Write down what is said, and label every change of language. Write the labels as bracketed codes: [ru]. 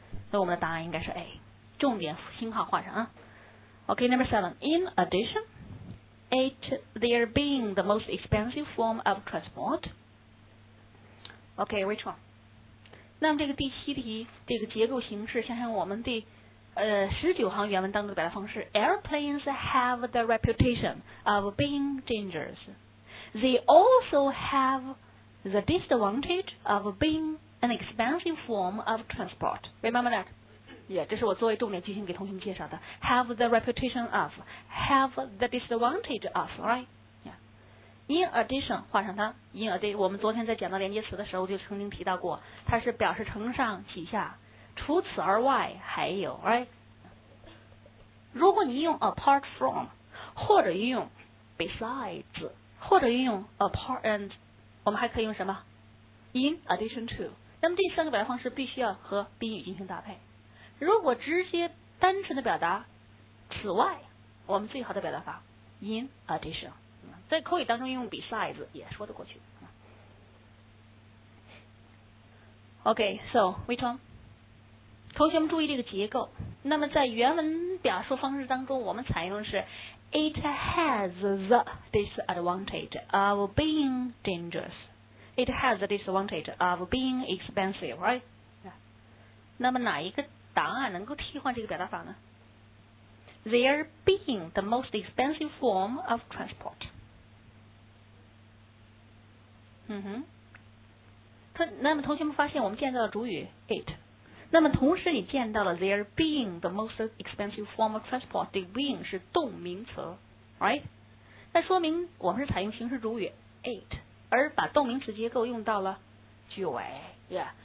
[zh] 那我们的答案应该是 A， 重点星号画上啊。 [en] Okay, number seven. In addition, it there being the most expensive form of transport. Okay, which one？ [zh] 那么这个第七题，这个结构形式，想想我们的。十九行原文当中的表达方式 [en] ，Airplanes have the reputation of being dangerous. They also have the disadvantage of being an expensive form of transport. Remember that? [zh] Yeah， 这是我作为重点句型给同学们介绍的。 [en] Have the reputation of， have the disadvantage of， right？ [zh] Yeah。 [en] In addition， [zh] 画上它。In addition， 我们昨天在讲到连接词的时候就曾经提到过，它是表示承上启下。除此而外还有 ，right？ 如果你用 apart from， 或者运用 besides， 或者运用 apart and， 我们还可以用什么 ？in addition to。那么第三个表达方式必须要和宾语进行搭配。如果直接单纯的表达此外，我们最好的表达法 in addition， 在口语当中用 besides 也说得过去。 [en] Okay， so which one？ [zh] 同学们注意这个结构。那么在原文表述方式当中，我们采用的是 [en] It has the disadvantage of being dangerous. It has the disadvantage of being expensive, right? [zh] 那么哪一个答案能够替换这个表达法呢？ [en] There being the most expensive form of transport. 嗯哼。 [zh] 那么同学们发现我们见到的主语 it。那么同时你见到了 [en] there being the most expensive form of transport， [zh] 这 being 是动名词 right？那说明我们是采用形式主语 it， 而把动名词结构用到了句尾 yeah。